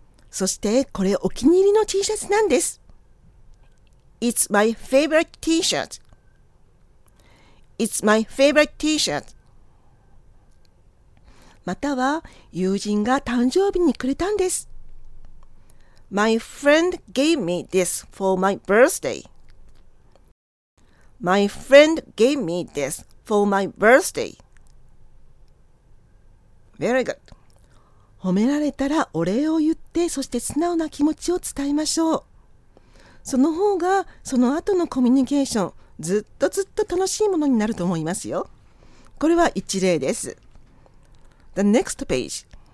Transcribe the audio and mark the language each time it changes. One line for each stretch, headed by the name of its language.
Japanese: そして、これお気に入りの T シャツなんです。
English: It's my favorite T-shirt. It's my favorite T-shirt.
Japanese: または友人が誕生日にくれたんです。
English: My friend gave me this for my birthday. My friend gave me this for my birthday. Very good.
Japanese: 褒められたらお礼を言って、そして素直な気持ちを伝えましょう。その方がその後のコミュニケーション、ずっとずっと楽しいものになると思いますよ。これは一例です。
English: The next page。